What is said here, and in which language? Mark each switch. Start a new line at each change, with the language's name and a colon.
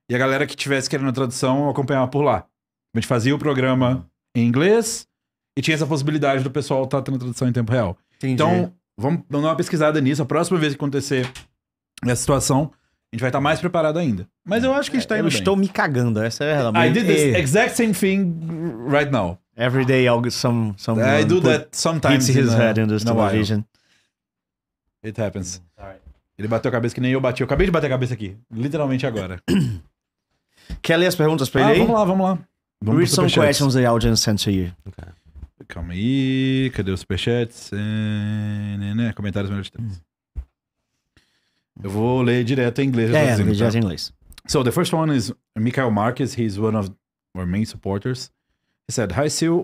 Portuguese: E a galera que tivesse querendo a tradução acompanhava por lá. A gente fazia o programa em inglês e tinha essa possibilidade do pessoal estar tendo a tradução em tempo real. Entendi. Então, vamos dar uma pesquisada nisso. A próxima vez que acontecer essa situação, a gente vai estar mais preparado ainda. Mas eu acho que a gente está indo bem. Estou me cagando, essa é a verdade.
English: I did the exact same thing right now. Every day, some I do that sometimes. Hits his head in the television. It happens.
Portuguese: Ele bateu a cabeça que nem eu bati. Eu acabei de bater a cabeça aqui. Literalmente agora. Quer ler as perguntas para ele aí? Vamos lá.
English: Read some questions the audience sent to you.
Portuguese: Okay. Calma aí, cadê os superchats? Comentários melhores de três. Eu vou ler direto em inglês. Direto em inglês.
English: So the first one is Mikael Marquez. He's one of our main supporters. He said, "Hi, Seeel.